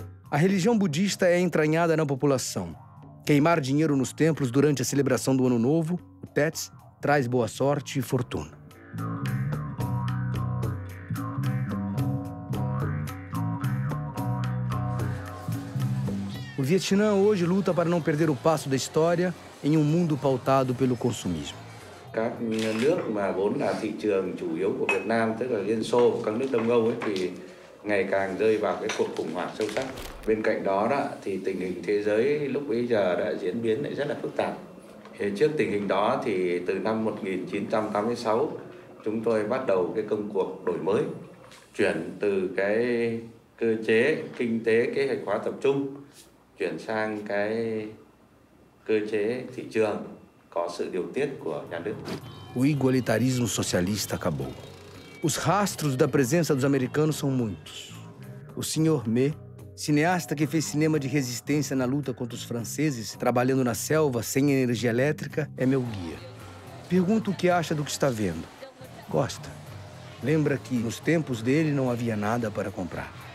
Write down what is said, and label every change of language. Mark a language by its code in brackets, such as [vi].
[pt] A religião budista é entranhada na população. Queimar dinheiro nos templos durante a celebração do Ano Novo, o Tet, traz boa sorte e fortuna. O Vietnã hoje luta para não perder o passo da história em um mundo pautado pelo consumismo. [vi] Các nước mà vốn là thị trường chủ yếu của Việt Nam, tức là Liên Xô và các nước Đông Âu ấy, thì ngày càng rơi vào cái cuộc khủng hoảng sâu sắc. Bên cạnh đó đó thì tình hình thế giới lúc bấy giờ đã diễn biến lại rất là phức tạp. Thì trước tình hình đó thì từ năm 1986 chúng tôi bắt đầu cái công cuộc đổi mới, chuyển từ cái cơ chế kinh tế kế hoạch hóa tập trung chuyển sang cái cơ chế thị trường có sự điều tiết của nhà nước. [pt] O igualitarismo socialista acabou. Os rastros da presença dos americanos são muitos. O senhor Me, cineasta que fez cinema de resistência na luta contra os franceses, trabalhando na selva sem energia elétrica, é meu guia. Pergunto o que acha do que está vendo. Gosta. Lembra que nos tempos dele não havia nada para comprar.